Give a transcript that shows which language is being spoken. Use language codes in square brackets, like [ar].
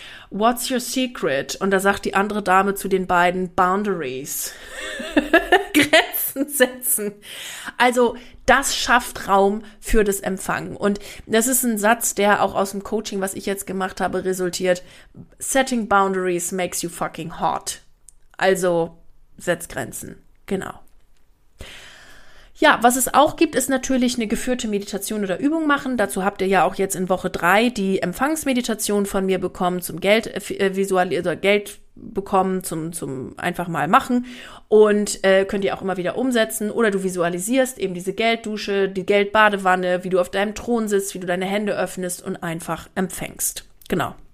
[en] What's your secret? [de] Und da sagt die andere Dame zu den beiden, boundaries. Grenzen setzen. Also, das schafft Raum für das Empfangen. Und das ist ein Satz, der auch aus dem Coaching, was ich jetzt gemacht habe, resultiert. [en] Setting boundaries makes you fucking hot. [de] Also, setz Grenzen. Genau. Ja, was es auch gibt, ist natürlich eine geführte Meditation oder Übung machen. Dazu habt ihr ja auch jetzt in Woche 3 die Empfangsmeditation von mir bekommen zum Geld bekommen, zum einfach mal machen und könnt ihr auch immer wieder umsetzen oder du visualisierst eben diese Gelddusche, die Geldbadewanne, wie du auf deinem Thron sitzt, wie du deine Hände öffnest und einfach empfängst. Genau.